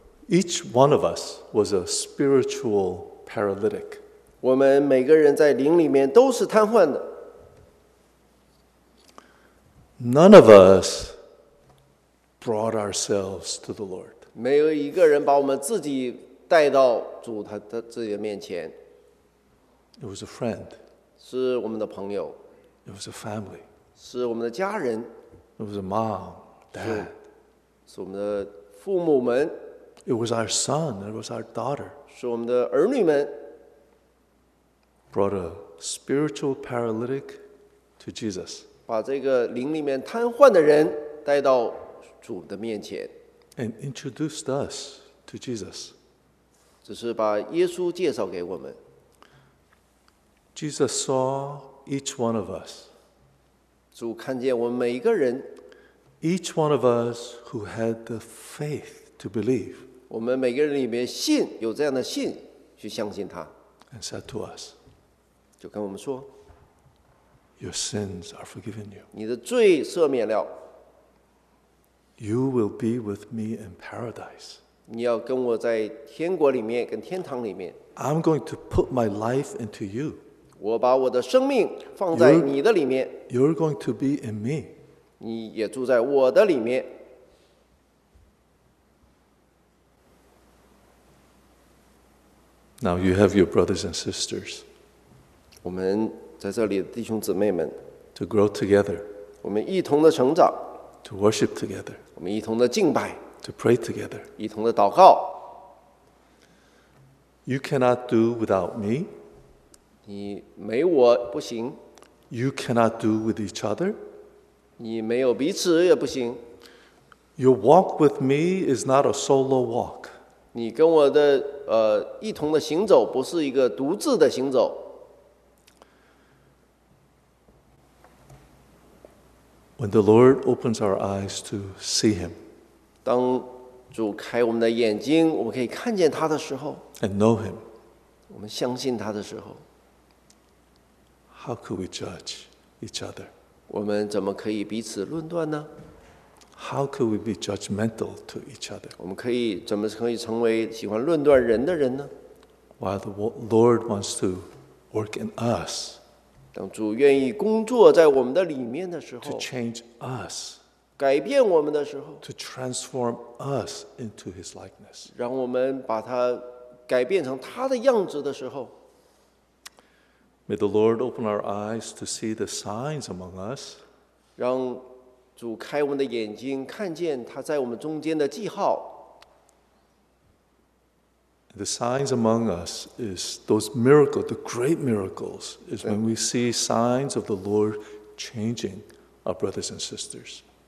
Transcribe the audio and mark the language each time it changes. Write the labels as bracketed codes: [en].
[en] Each one of us was a spiritual paralytic. [zh] 我们每个人在灵里面都是瘫痪的。 [en] None of us. Brought ourselves to the Lord. [zh] 没有一个人把我们自己带到主他的自己的面前。 [en] It was a friend. [zh] 是我们的朋友。 [en] It was a family. [zh] 是我们的家人。 [en] It was a mom, dad. [zh] 是我们的父母们。 [en] It was our son. It was our daughter. [zh] 是我们的儿女们。 [en] Brought a spiritual paralytic to Jesus. [zh] 把这个灵里面瘫痪的人带到。主的面前 [en] and introduced us to Jesus. [zh] 只是把耶稣介绍给我们。 [en] Jesus saw each one of us. [zh] 主看见我们每一个人。 [en] Each one of us who had the faith to believe. [zh] 我们每个人里面信有这样的信去相信他。 [en] And said to us. [zh] 就跟我们说。 [en] Your sins are forgiven you. [zh] 你的罪赦免了。 [en] You will be with me in paradise. [zh] 你要跟我在天国里面，跟天堂里面。 [en] I'm going to put my life into you. [zh] 我把我的生命放在你的里面。 [en] You're going to be in me. [zh] 你也住在我的里面。 [en] Now you have your brothers and sisters. [zh] 我们在这里的弟兄姊妹们。 [en] To grow together. [zh] 我们一同的成长。 [en] To worship together. [zh] 我们一同的敬拜。 [en] To pray together. [zh] 一同的祷告。 [en] You cannot do without me. [zh] 你没我不行。 [en] You cannot do with each other. [zh] 你没有彼此也不行。 [en] Your walk with me is not a solo walk. [zh] 你跟我的一同的行走不是一个独自的行走。 [en] When the Lord opens our eyes to see Him, [zh] 当主开我们的眼睛，我们可以看见他的时候 [en] ，and know Him, [zh] 我们相信他的时候 [en] ，how could we judge each other? [zh] 我们怎么可以彼此论断呢? [en] How could we be judgmental to each other? [zh] 我们可以怎么可以成为喜欢论断人的人呢? [en] While the Lord wants to work in us, [zh] 当主愿意工作在我们的里面的时候, [en] to change us, [zh] 改变我们的时候, [en] to transform us into His likeness, [zh] 让我们把它改变成他的样子的时候, [en] may the Lord open our eyes to see the signs among us, [zh] 让主开我们的眼睛, 看见他在我们中间的记号, [en] the signs among us is those miracles, the great miracles, is when we see signs of the Lord changing our brothers and sisters.